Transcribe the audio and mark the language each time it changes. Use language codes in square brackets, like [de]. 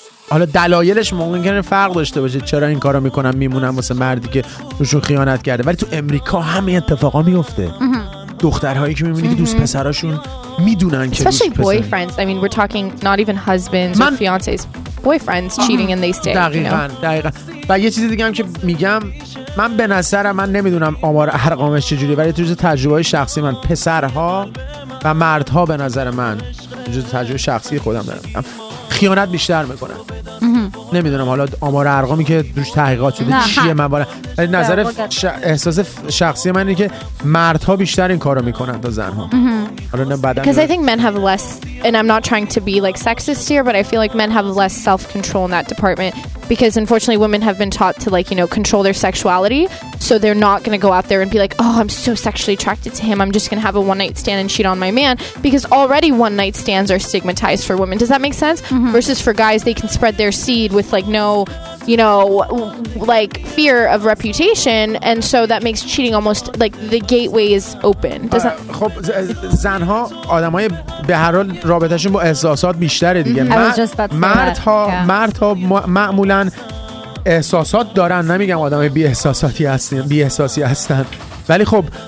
[fa] حالا دلایلش ممکنه فرق داشته باشه، چرا این کارو میکنم میمونم واسه مردی که روشون خیانت کرده، ولی تو امریکا همین اتفاقا میفته. دخترهایی که میبینی که دوست پسراشون میدونن که [en] especially boyfriends I mean we're talking not even husbands or fiancés, boyfriends cheating and they stay. [fa] دقیقاً. و یه چیز دیگه هم که میگم، من به نظرم، من نمیدونم آمار ارقامش چجوریه، ولی تو تجربه های شخصی من پسرها و مردها، به نظر من جز تجربه شخصی خودم دارم، خیانت بیشتر میکنن. نمیدونم حالا آمار ارقامی که روش تحقیقات شده چیه، من برای نظر احساس شخصی من اینه که مردها بیشتر این کارو میکنن تا زنها. حالا نه بعدا [en] because I think men have less, and I'm not trying to be like sexist here, but I feel like men have less self control in that department because unfortunately women have been taught to like, you know, control their sexuality, so they're not going to go out there and be like, oh, I'm so sexually attracted to him, I'm just going to have a one night stand and cheat on my man, because already one night stands are stigmatized for women. Does that make sense? Versus for guys, they can spread their seed with like no, you know, like fear of reputation, and so that makes cheating almost like the gateway is open. [fa] خب زنها آدمای به هر حال رابطه‌شون با احساسات بیشتره دیگه. مردها معمولا احساسات دارن، نمیگم آدمای بی احساساتی هستن، بی احساسی هستن، ولی خب